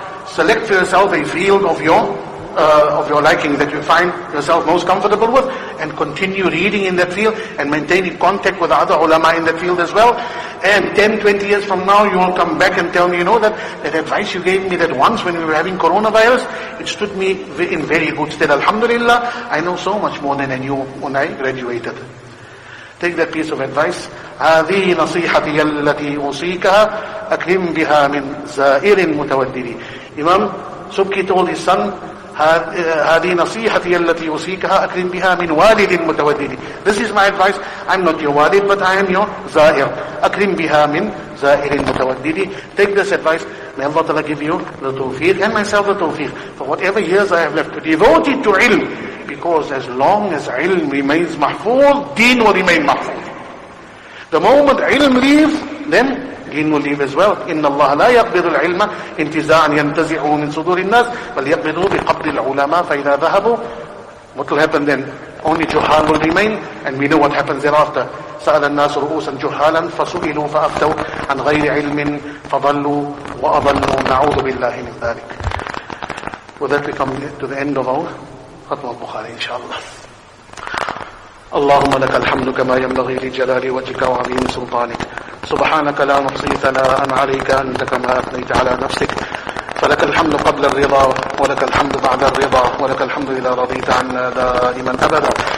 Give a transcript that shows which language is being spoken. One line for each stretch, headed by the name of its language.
English: Select for yourself a field of your liking that you find yourself most comfortable with, and continue reading in that field and maintaining contact with the other ulama in that field as well. And 10-20 years from now, you will come back and tell me, you know, that advice you gave me, that once when we were having coronavirus, it stood me in very good stead. Alhamdulillah, I know so much more than I knew when I graduated. Take that piece of advice.
Arabic: هذه نصيحتي التي أوصيكها أكرم بها من زائر متوددي.
English: Imam Subki told his son,
Arabic: هذه نصيحتي التي أوصيكها أكرم بها من والد متودد.
English: This is my advice. I'm not your والد, but I am your زائر.
Arabic: أكرم بها من زائر متودد.
English: Take this advice. May Allah Ta'ala give you the tawfiq and myself the tawfiq for whatever years I have left to devote it to ilm. Because as long as ilm remains mahfool, deen will remain mahfool. The moment ilm leaves, then deen will leave as well.
Arabic: إِنَّ اللَّهَ لَا يَقْبِضُ الْعِلْمَ إِنْتِزَاعًا يَنْتَزِعُهُ مِنْ صُدُورِ النَّاسِ بَلْ يَقْبِضُ بِقَبْضِ الْعُلَمَاءِ فَإِذَا ذَهَبُوا.
English: What will happen then? Only juhal will remain, and we know what happens thereafter.
Arabic: سَأَلَ النَّاسُ رُؤُوسًا جُهَالًا فَسُئِلُوا فَأَفْتَوْا عَنْ غَيْرِ عِلْمٍ فَضَلُّوا وَأَضَلُّوا نَعُوذُ بِاللَّهِ مِنْ ذَلِكَ.
English: With that we come to the end of our
Arabic: خطبة البخاري إن شاء الله. اللهم لك الحمد كما ينبغي لجلال وجهك وعظيم سلطانك سبحانك لا نحصي ثناء عليك أنت كما أثنيت على نفسك فلك الحمد قبل الرضا ولك الحمد بعد الرضا ولك الحمد إذا رضيت عنا دائما أبدا